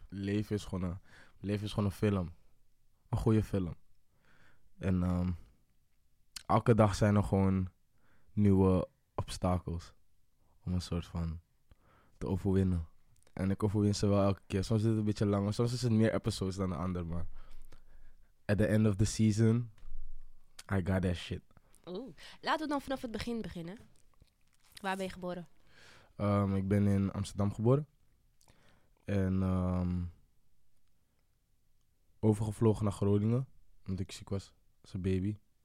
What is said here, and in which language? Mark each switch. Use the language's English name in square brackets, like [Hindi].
[Dutch] Leven is gewoon een film. Een goede film. En elke dag zijn er gewoon nieuwe obstakels om een soort van te overwinnen. En ik overwin ze wel elke keer. Soms is het een beetje langer. Soms is het meer episodes dan de ander. [English] Maar at the end of the season, I got that shit. Ooh. [Dutch] Laten we dan vanaf het begin beginnen. Waar ben je geboren? Ik ben in Amsterdam geboren. En overgevlogen naar Groningen, omdat ik ziek was. Zijn baby.